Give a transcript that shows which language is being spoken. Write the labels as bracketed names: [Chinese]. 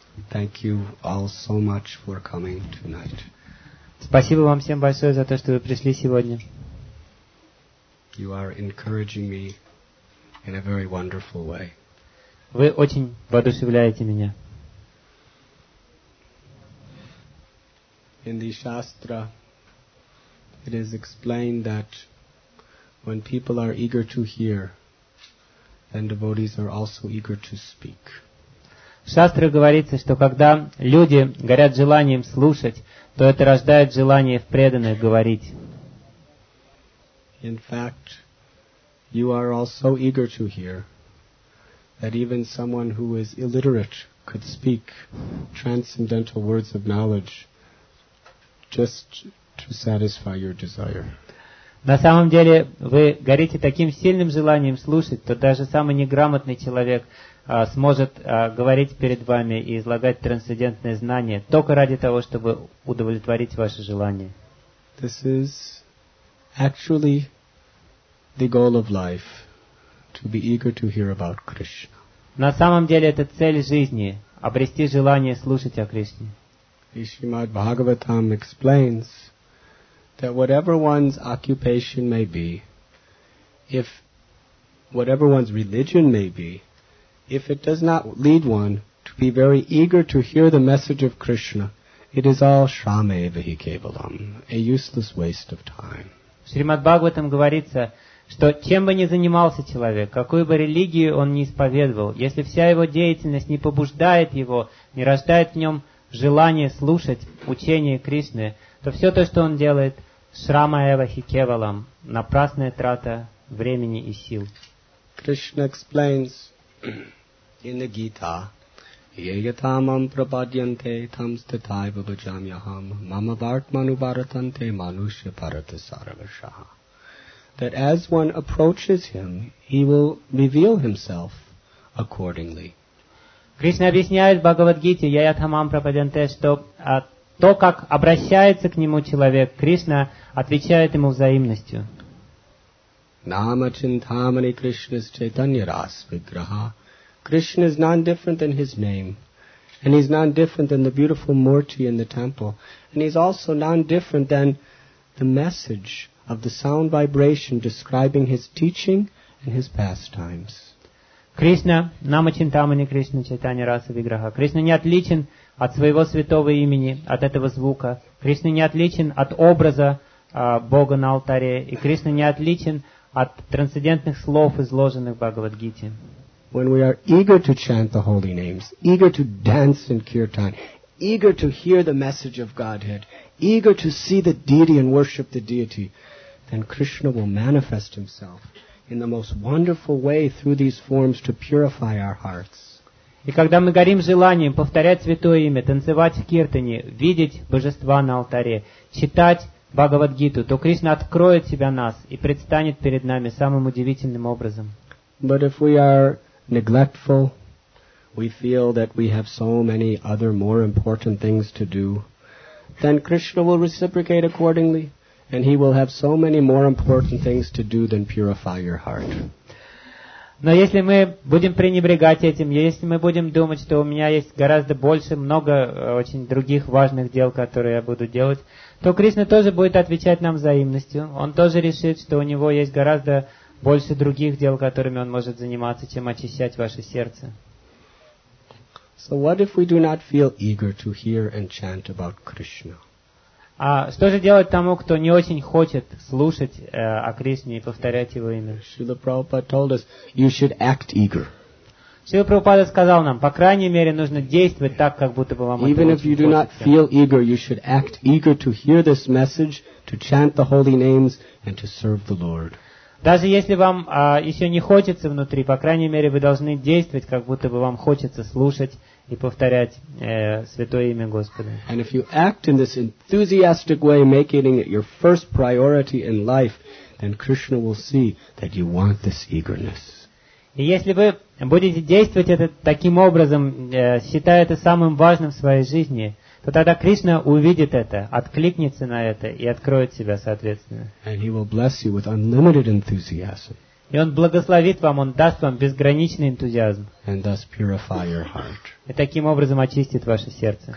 [English] Thank you all so much for coming tonight. [Russian] Спасибо вам всем большое за то, что вы пришли сегодня. [English] You are encouraging me in a very wonderful way. [Russian] Вы очень воодушевляете меня. [English] In the Shastra, it is explained that when people are eager to hear, then devotees are also eager to speak. [Russian] В Шастре говорится, что когда люди горят желанием слушать, то это рождает желание в преданных говорить. [English] In fact, you are also eager to hear that even someone who is illiterate could speak transcendental words of knowledge just to satisfy your desire. [Russian] На самом деле, вы горите таким сильным желанием слушать, то даже самый неграмотный человек сможет говорить перед вами и излагать трансцендентные знания только ради того, чтобы удовлетворить ваше желание. [English] This is actually the goal of life, to be eager to hear about Krishna. [Russian] На самом деле, это цель жизни — обрести желание слушать о Кришне. И [English] Шримад Бхагаватам explains that whatever one's occupation may be, if whatever one's religion may be, if it does not lead one to be very eager to hear the message of Krishna, it is all [Sanskrit] shramevahi kevalam, [English] a useless waste of time. [Russian] В Шримад Бхагаватам говорится, что чем бы ни занимался человек, какую бы религию он ни исповедовал, если вся его деятельность не побуждает его, не рождает в нем желание слушать учение Кришны, то все то, что он делает, [Sanskrit] shramevahi kevalam, [Russian] напрасная трата времени и сил. [English] Krishna explains in the Gita, [Sanskrit] yayatamam prapadyante tam stathai bhavajamyaham mama vartmanu bharatante manushya bharata sarvashah. [English] That as one approaches him, he will reveal himself accordingly. [Russian] Krishna объясняет в Бхагавад-гите, [Sanskrit] yayatamam prapadyante, [Russian] что то, как обращается к нему человек, Кришна отвечает ему взаимностью. [Sanskrit] Nama chintamani krishnas chaitanya ras vigraha. [English] Krishna is non-different than his name, and he's non-different than the beautiful murti in the temple, and he's also non-different than the message of the sound vibration describing his teaching and his pastimes. [Sanskrit] Krishna, namachintamani Krishna, chaitanya rasa vigraha. [Russian] Krishna не отличен от своего святого имени, от этого звука. Krishna не отличен от образа Бога на алтаре, и Krishna не отличен от трансцендентных слов, изложенных в Бхагавад-гите. [English] When we are eager to chant the holy names, eager to dance in kirtan, eager to hear the message of Godhead, eager to see the deity and worship the deity, then Krishna will manifest himself in the most wonderful way through these forms to purify our hearts. [Russian] И когда мы горим желанием повторять святое имя, танцевать в киртане, видеть божества на алтаре, читать Бхагавад-гиту, то Кришна откроет себя нас и предстанет перед нами самым удивительным образом. [English] But if we are neglectful, we feel that we have so many other more important things to do, then Krishna will reciprocate accordingly, and he will have so many more important things to do than purify your heart. [Russian] Но если мы будем пренебрегать этим, если мы будем думать, что у меня есть гораздо больше, много очень других важных дел, которые я буду делать, то Кришна тоже будет отвечать нам взаимностью. Он тоже решит, что у него есть гораздо больше других дел, которыми он может заниматься, чем очищать ваше сердце. [English] So what if we do not feel eager to hear and chant about Krishna? [Russian] А что же делать тому, кто не очень хочет слушать о Кришне и повторять его имя? [English] Шрила Прабхупада told us, you should act eager. [Russian] Шрила Прабхупада сказал нам, по крайней мере, нужно действовать так, как будто бы вам это очень хочется. [English] Even if you do not feel eager, you should act eager to hear this message, to chant the holy names and to serve the Lord. [Russian] Даже если вам еще не хочется внутри, по крайней мере, вы должны действовать, как будто бы вам хочется слушать и повторять святое имя Господа. [English] And if you act in this enthusiastic way, making it your first priority in life, then Krishna will see that you want this eagerness. [Russian] И если вы будете действовать это таким образом, считая это самым важным в своей жизни, то тогда Кришна увидит это, откликнется на это и откроет себя соответственно. [English] And he will bless you with unlimited enthusiasm. [Russian] И Он благословит вам, Он даст вам безграничный энтузиазм. [English] And thus purify your heart. [Russian] И таким образом очистит ваше сердце.